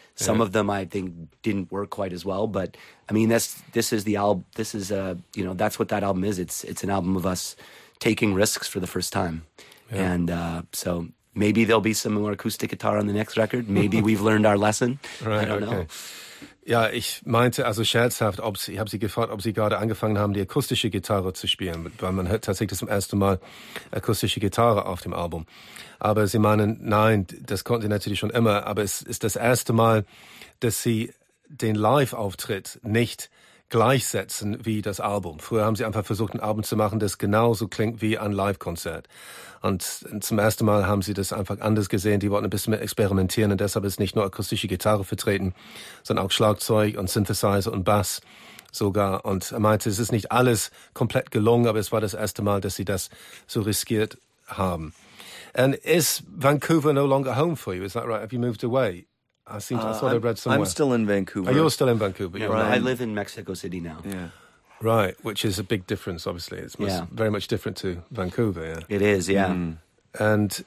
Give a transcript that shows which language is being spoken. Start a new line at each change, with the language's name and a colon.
English: Some of them, I think, didn't work quite as well. But I mean, that's what that album is. It's an album of us taking risks for the first time. Yeah. And so maybe there'll be some more acoustic guitar on the next record. Maybe we've learned our lesson. Right, I don't know.
German: Ja, ich meinte also scherzhaft, ich habe sie gefragt, ob sie gerade angefangen haben, die akustische Gitarre zu spielen, weil man hört tatsächlich zum ersten Mal akustische Gitarre auf dem Album. Aber sie meinen, nein, das konnten sie natürlich schon immer, aber es ist das erste Mal, dass sie den Live-Auftritt nicht gleichsetzen wie das Album. Früher haben sie einfach versucht, ein Album zu machen, das genauso klingt wie ein Live-Konzert. Und zum ersten Mal haben sie das einfach anders gesehen. Die wollten ein bisschen mehr experimentieren und deshalb ist nicht nur akustische Gitarre vertreten, sondern auch Schlagzeug und Synthesizer und Bass sogar. Und er meinte, es ist nicht alles komplett gelungen, aber es war das erste Mal, dass sie das so riskiert haben.
English: And is Vancouver no longer home for you? Is that right? Have you moved away? I thought I read somewhere. I'm still in Vancouver. Oh, you're still in Vancouver. Yeah, right. I live in Mexico City now. Yeah, right, which is a big difference, obviously. It's very much different to Vancouver. Yeah. It is, yeah. Mm.